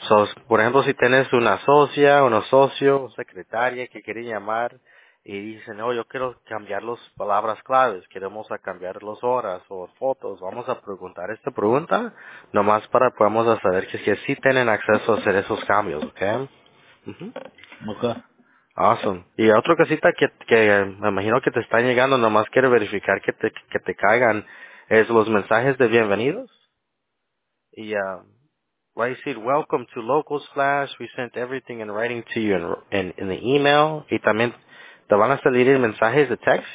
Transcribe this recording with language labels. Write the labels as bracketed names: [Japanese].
[Spanish] So, por ejemplo, si tienes una socia, un socio, secretaria que quiere llamar y dice, no, yo quiero cambiar las palabras claves, queremos cambiar las horas o fotos, vamos a preguntar esta pregunta, nomás para podamos saber que sí tienen acceso a hacer esos cambios, okay? Uh-huh. [English] Okay. Awesome. [Spanish] Y otra cosita que me imagino que te están llegando, nomás quiero verificar que te caigan, es los mensajes de bienvenidos. Y voy a decir, [English] welcome to Local Splash. We sent everything in writing to you in the email. [Spanish] Y también te van a salir mensajes de text.